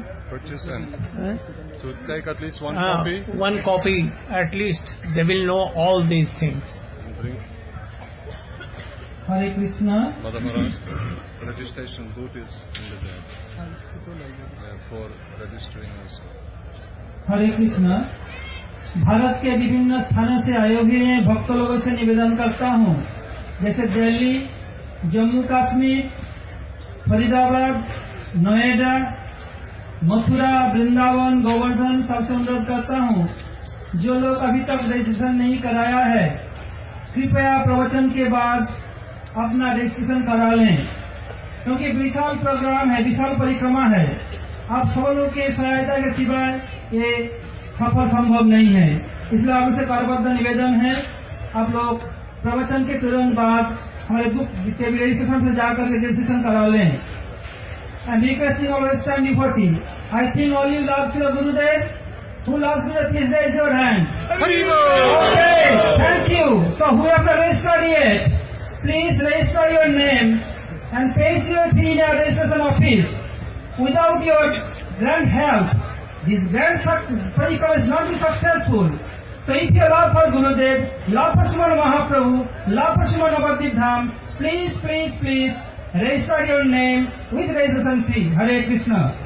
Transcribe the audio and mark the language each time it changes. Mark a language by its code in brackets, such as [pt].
[en] purchase and to take at least one copy. One copy, at least they will know all these things. Hare Krishna. Mother Maharaj, registration booth is under there for registering us. Hare Krishna. [hi] Bharat के विभिन्न स्थानों से आए हुए भक्त लोगों से निवेदन करता हूँ, जैसे दिल्ली, जम्मू कश्मीर, फरीदाबाद, नोएडा, मथुरा, वृंदावन, गोवर्धन, सबसे अनुरोध करता हूँ जो लोग अभी तक रजिस्ट्रेशन नहीं कराया है, कृपया प्रवचन के बाद अपना रजिस्ट्रेशन करा लें, क्योंकि विशाल प्रोग्राम है, विशाल परिक्रमा है। आप सब लोग की सहायता के सिवाय ये सफल संभव नहीं है, इसलिए आपसे कार्यबद्ध निवेदन है, आप लोग प्रवचन के तुरंत बाद हमारे बुक जितने भी रजिस्ट्रेशन से जाकर रजिस्ट्रेशन करा लें। [en] And requesting all western devotee, I think all you loves your Gurudev, who loves you please raise your hand. Okay, thank you. So who have registered yet, please register your name and paste your fee in registration office. Without your grand help this grand parikrama is not successful. So if you love for Gurudev, love for Srimad Mahaprabhu, love for Srimad Bhagavad Dham, please register your name with registration fee. Hare Krishna.